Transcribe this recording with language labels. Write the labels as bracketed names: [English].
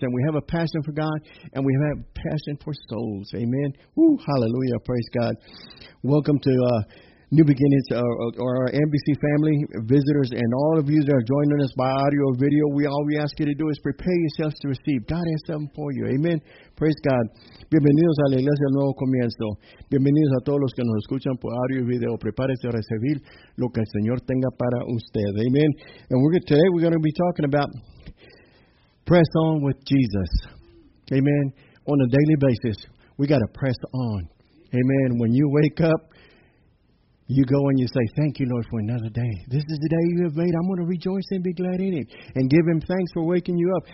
[English] And we have a passion for God, and we have a passion for souls. Amen. Woo, hallelujah. Praise God. Welcome to New Beginnings, or our NBC family, visitors, and all of you that are joining us by audio or video. All we ask you to do is prepare yourselves to receive. God has something for you. Amen. Praise God. [Spanish] Bienvenidos a la Iglesia del Nuevo Comienzo. Bienvenidos a todos los que nos escuchan por audio y video. Prepárese a recibir lo que el Señor tenga para usted. Amen. [English] And today we're going to be talking about press on with Jesus. Amen. On a daily basis, we got to press on. Amen. When you wake up, you go and you say, thank you, Lord, for another day. This is the day you have made. I'm going to rejoice and be glad in it. And give him thanks for waking you up.